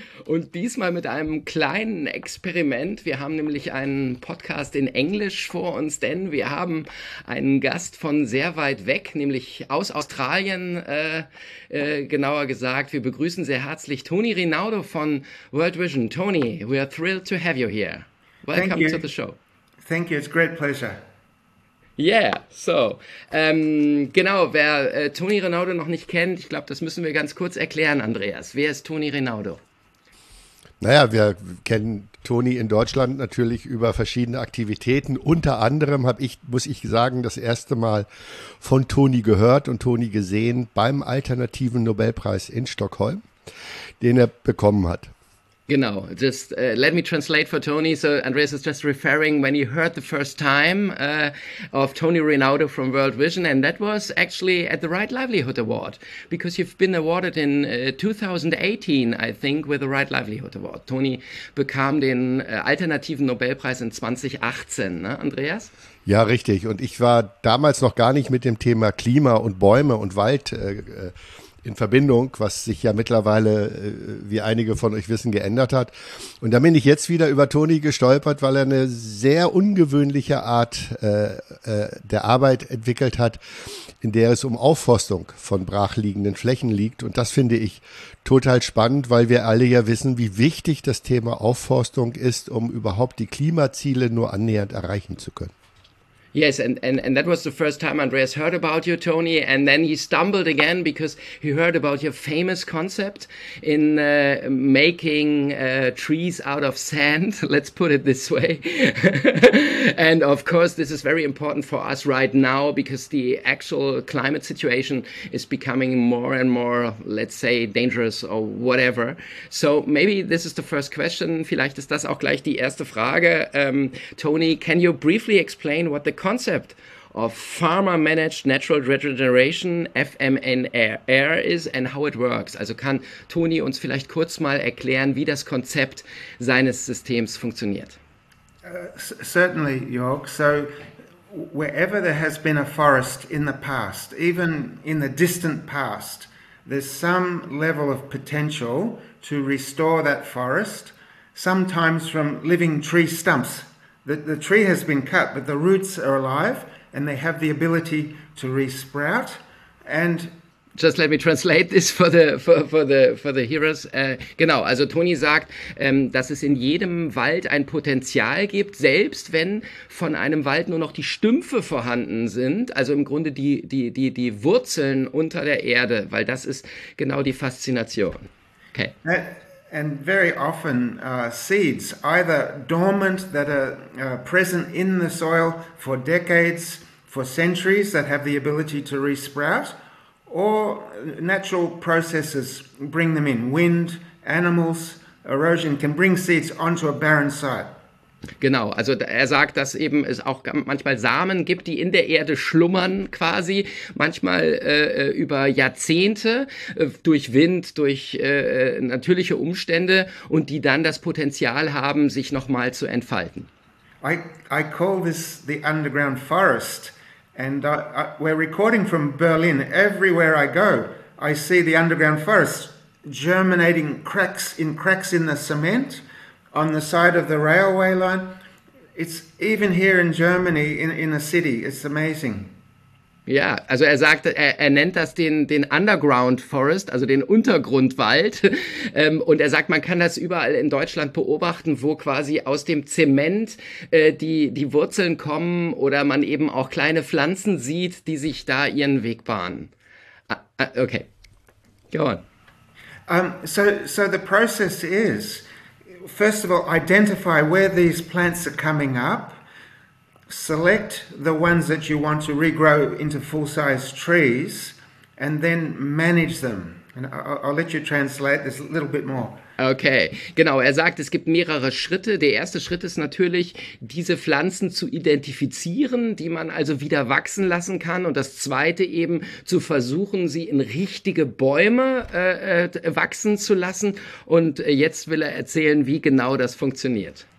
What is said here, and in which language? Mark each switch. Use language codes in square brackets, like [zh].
[de] Und diesmal mit einem kleinen Experiment. Wir haben nämlich einen Podcast in Englisch vor uns, denn wir haben einen Gast von sehr weit weg, nämlich aus Australien, genauer gesagt. Wir begrüßen sehr herzlich Tony Rinaudo von World Vision. [en] Tony, we are thrilled to have you here. Welcome to the show. Thank you, it's a great pleasure. [de] Yeah, so, genau, wer Tony Rinaudo noch nicht kennt, ich glaube, das müssen wir ganz kurz erklären, Andreas. Wer ist Tony Rinaudo? Naja, wir kennen Tony in Deutschland natürlich über verschiedene Aktivitäten. Unter anderem habe ich, muss ich sagen, das erste Mal von Tony gehört und Tony gesehen beim Alternativen Nobelpreis in Stockholm, den er bekommen hat. [en] Genau, just let me translate for Tony. So Andreas is just referring when he heard the first time of Tony Rinaudo from World Vision, and that was actually at the Right Livelihood Award, because you've been awarded in 2018, I think, with the Right Livelihood Award. [de] Tony bekam den alternativen Nobelpreis in 2018, ne, Andreas? Ja, richtig. Und ich war damals noch gar nicht mit dem Thema Klima und Bäume und Wald in Verbindung, was sich ja mittlerweile, wie einige von euch wissen, geändert hat. Und da bin ich jetzt wieder über Tony gestolpert, weil er eine sehr ungewöhnliche Art der Arbeit entwickelt hat, in der es um Aufforstung von brachliegenden Flächen liegt. Und das finde ich total spannend, weil wir alle ja wissen, wie wichtig das Thema Aufforstung ist, um überhaupt die Klimaziele nur annähernd erreichen zu können. [en] Yes, and that was the first time Andreas heard about you, Tony, and then he stumbled again because he heard about your famous concept in making trees out of sand, let's put it this way. And of course, this is very important for us right now because the actual climate situation is becoming more and more, let's say, dangerous or whatever. So maybe this is the first question, [de] vielleicht ist das auch gleich die erste Frage. [en] Tony, can you briefly explain what the concept of Farmer Managed Natural Regeneration, FMNR, is and how it works. [de] Also kann Tony uns vielleicht kurz mal erklären, wie das Konzept seines Systems funktioniert? [en] Certainly, Jörg. So, wherever there has been a forest in the past, even in the distant past, there's some level of potential to restore that forest, sometimes from living tree stumps. The tree has been cut, but the roots are alive and they have the ability to re-sprout. And just let me translate this for the hearers. [de] Genau, also Tony sagt, dass es in jedem Wald ein Potenzial gibt, selbst wenn von einem Wald nur noch die Stümpfe vorhanden sind, also im Grunde die Wurzeln unter der Erde, weil das ist genau die Faszination. [en] Okay. And very often seeds, either dormant that are present in the soil for decades, for centuries, that have the ability to re-sprout, or natural processes bring them in. Wind, animals, erosion can bring seeds onto a barren site. Genau, also er sagt, dass eben es auch manchmal Samen gibt, die in der Erde schlummern quasi, manchmal über Jahrzehnte durch Wind, durch natürliche Umstände und die dann das Potenzial haben, sich nochmal zu entfalten. I call this the underground forest and we're recording from Berlin. Everywhere I go, I see the underground forest germinating cracks in the cement. On the side of the railway line, it's even here in Germany, in a city, it's amazing. [de] Ja, also er sagt, er nennt das den Underground Forest, also den Untergrundwald. Und er sagt, man kann das überall in Deutschland beobachten, wo quasi aus dem Zement die Wurzeln kommen oder man eben auch kleine Pflanzen sieht, die sich da ihren Weg bahnen. [en] Okay, go on. So the process is, first of all, identify where these plants are coming up. Select the ones that you want to regrow into full-size trees and then manage them. And I'll let you translate this a little bit more. [de] Okay, genau. Er sagt, es gibt mehrere Schritte. Der erste Schritt ist natürlich, diese Pflanzen zu identifizieren, die man also wieder wachsen lassen kann. Und das zweite eben, zu versuchen, sie in richtige Bäume wachsen zu lassen. Und jetzt will er erzählen, wie genau das funktioniert.